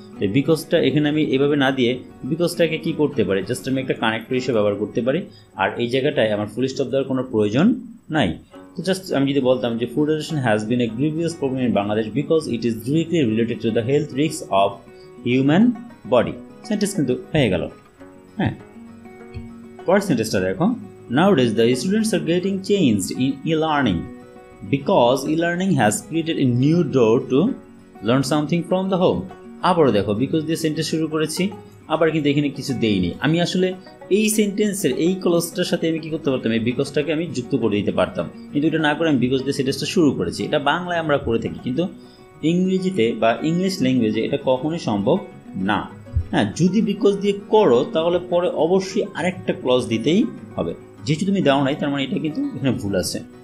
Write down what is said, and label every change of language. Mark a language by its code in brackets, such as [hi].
[bn] তো বিকজটা এখানে আমি এভাবে না দিয়ে বিকজটাকে কী করতে পারি, জাস্ট আমি একটা কানেক্টর হিসেবে ব্যবহার করতে পারি, আর এই জায়গাটায় আমার ফুল স্টপ দেওয়ার কোনো প্রয়োজন নাই। তো জাস্ট আমি যদি বলতাম যে [en] food adoption has been a grievous problem in Bangladesh because it is directly related to the health risk of human body, [bn] sentence কিন্তু হয়ে গেল। হ্যাঁ, পরের সেন্টেন্সটা দেখো, [en] Nowadays, the students are getting changed in e-learning because e-learning has created a new door to learn something from the home. [bn] আবার দেখো because দিয়ে sentence শুরু করেছি আবার কিন্তু এখানে কিছু দেইনি আমি আসলে এই সেন্টেন্সের এই ক্লজটার সাথে আমি কি করতে পারতাম এই বিকজটাকে আমি যুক্ত করে দিতে পারতাম কিন্তু এটা না করে আমি বিকজ দিয়ে সেন্টেন্সটা শুরু করেছি এটা বাংলায় আমরা করে থাকি কিন্তু ইংরেজিতে বা ইংলিশ ল্যাঙ্গুয়েজে এটা কখনোই সম্ভব না হ্যাঁ যদি বিকজ দিয়ে করো তাহলে পরে অবশ্যই আরেকটা ক্লজ দিতেই হবে যেহেতু তুমি দাও নাই তার মানে এটা কিন্তু এখানে ভুল আছে